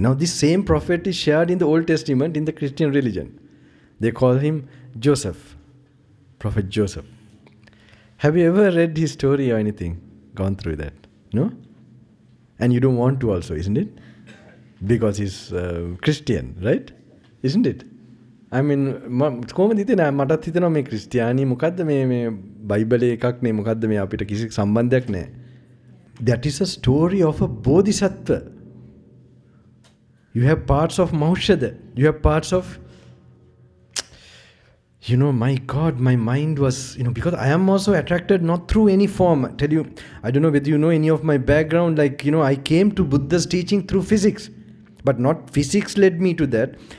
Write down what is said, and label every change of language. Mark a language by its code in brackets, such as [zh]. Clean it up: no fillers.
[en] Now this same prophet is shared in the Old Testament in the Christian religion. They call him Joseph, Prophet Joseph. Have you ever read his story or anything, gone through that? No? And you don't want to also, isn't it? Because he's Christian, right? Isn't it? I mean, [si] කොහොමද ඉතින් මටත් හිතෙනවා මේ ක්‍රිස්තියානි මොකද්ද මේ බයිබලේ එකක් නේ මොකද්ද මේ අපිට කිසි සම්බන්ධයක් නැහැ. [en] That is a story of a bodhisattva. You have parts of Maushada. You have parts of... my God, my mind was, because I am also attracted not through any form. I tell you, I don't know whether you know any of my background, I came to Buddha's teaching through physics, but not physics led me to that.